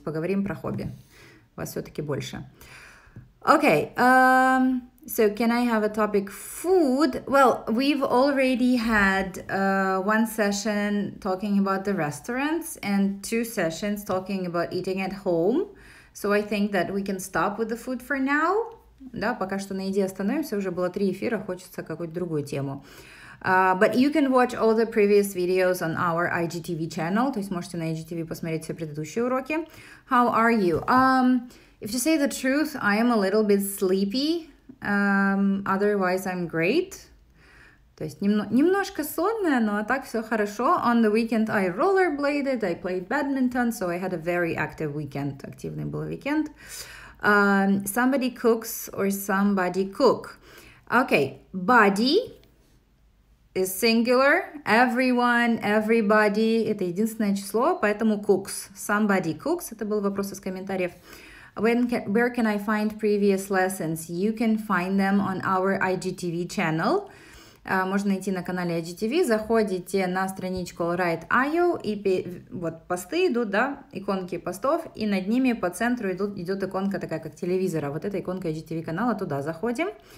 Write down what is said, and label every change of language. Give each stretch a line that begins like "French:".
Russian: Поговорим про хобби. Вас все-таки больше.
English: Okay, so can I have a topic? Food. Well, we've already had one session talking about the restaurants and two sessions talking about eating at home. So I think that we can stop with the food for now.
Russian: Да, пока что на еде остановимся. Уже было 3 эфира, хочется какую-то другую тему.
English: But you can watch all the previous videos on our IGTV channel.
Russian: То есть можете на IGTV посмотреть все предыдущие уроки.
English: How are you? If to say the truth, I am a little bit sleepy. Otherwise, I'm great.
Russian: То есть немножко сонная, но так все хорошо.
English: On the weekend, I rollerbladed, I played badminton, so I had a very active weekend.
Russian: Активный был
English: weekend. Somebody cooks or somebody cook. Okay, body is singular, everyone, everybody,
Russian: это единственное число, поэтому
English: cooks, somebody cooks,
Russian: это был вопрос из комментариев.
English: Where can I find previous lessons? You can find them on our IGTV channel.
Russian: Можно найти на канале IGTV, заходите на страничку AllRight.io, и вот посты идут, да, иконки постов, и над ними по центру идет иконка такая, как телевизора. Вот эта иконка IGTV канала, туда заходим.